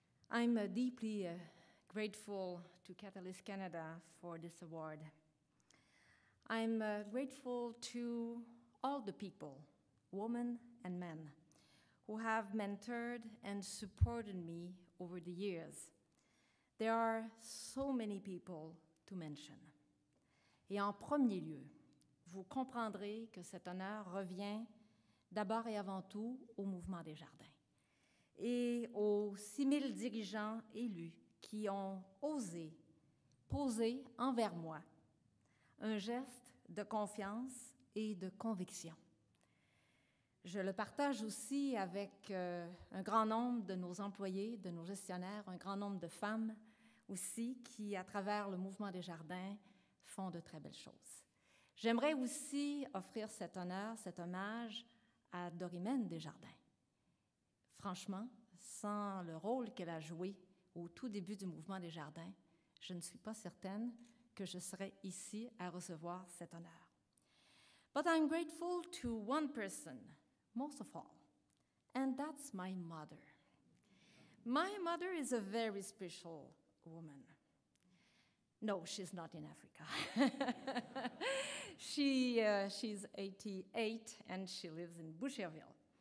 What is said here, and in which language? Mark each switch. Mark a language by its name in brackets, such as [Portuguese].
[English] I'm deeply grateful to Catalyst Canada for this award. I'm grateful to all the people, women and men, who have mentored and supported me over the years. There are so many people to mention. [French] Et en premier lieu, vous comprendrez que cet honneur revient d'abord et avant tout au mouvement des jardins et aux 6000 dirigeants élus qui ont osé poser envers moi un geste de confiance et de conviction. Je le partage aussi avec un grand nombre de nos employés, de nos gestionnaires, un grand nombre de femmes aussi qui, à travers le mouvement des jardins, font de très belles choses. J'aimerais aussi offrir cet honneur, cet hommage à Dorimène Desjardins. Franchement, sans le rôle qu'elle a joué au tout début du mouvement des jardins, je ne suis pas certaine que je serais ici à recevoir cet honneur. [English] But I'm grateful to one person, most of all, and that's my mother. My mother is a very special woman. No, she's not in Africa. She's 88 and she lives in Boucherville.